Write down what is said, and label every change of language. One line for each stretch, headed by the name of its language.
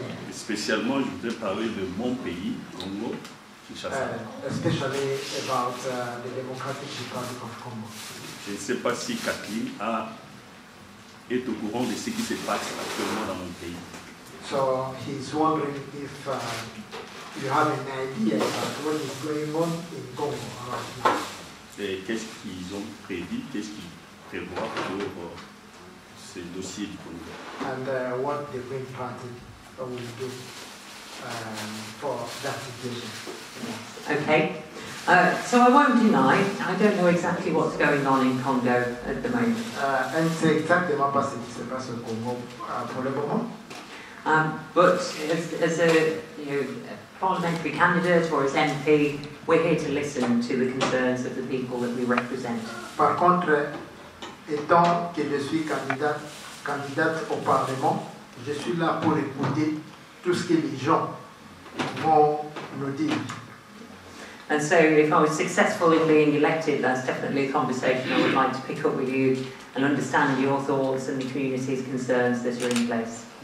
French: Spécialement, je voudrais parler de mon pays, Congo, Kinshasa.
English: Especially about the Democratic Republic of Congo.
French: Je ne sais pas si Kathleen est au courant de ce qui se passe actuellement dans mon pays.
English: So he's wondering if you have an idea about what is going on in Congo.
French: Et qu'est-ce qu'ils ont prévu, qu'est-ce qu'ils prévoient pour c'est le dossier du Congo.
English: And what the Green Party will do for that situation. Okay. So I won't deny, I don't know exactly what's going on in Congo at the moment.
French: And c'est exactement ce qui se passe au Congo pour le moment.
English: But as a parliamentary candidate or as MP, we're here to listen to the concerns of the people that we represent.
French: Par contre, étant que je suis candidate au Parlement, je suis là pour écouter tout ce que les gens vont me dire.
English: And so, if I was successful in being elected, that's definitely a conversation I would like to pick up with you and understand your thoughts and the community's concerns that are in place.